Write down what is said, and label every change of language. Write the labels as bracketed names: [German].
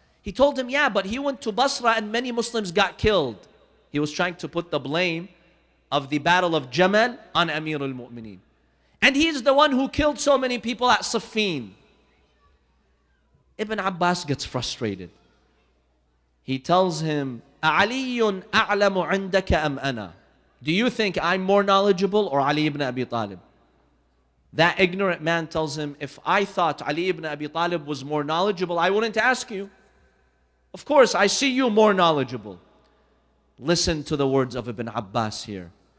[English] He told him, yeah, but he went to Basra and many Muslims got killed. He was trying to put the blame of the Battle of Jamal on Amir al-Mu'mineen. And he's the one who killed so many people at Siffin. Ibn Abbas gets frustrated. He tells him, [Arabic] أَعَلِيٌّ أَعْلَمُ عِنْدَكَ أَمْ أَنَا? [English] Do you think I'm more knowledgeable or Ali ibn Abi Talib? That ignorant man tells him, if I thought Ali ibn Abi Talib was more knowledgeable, I wouldn't ask you. Of course, I see you more knowledgeable. Listen to the words of Ibn Abbas here.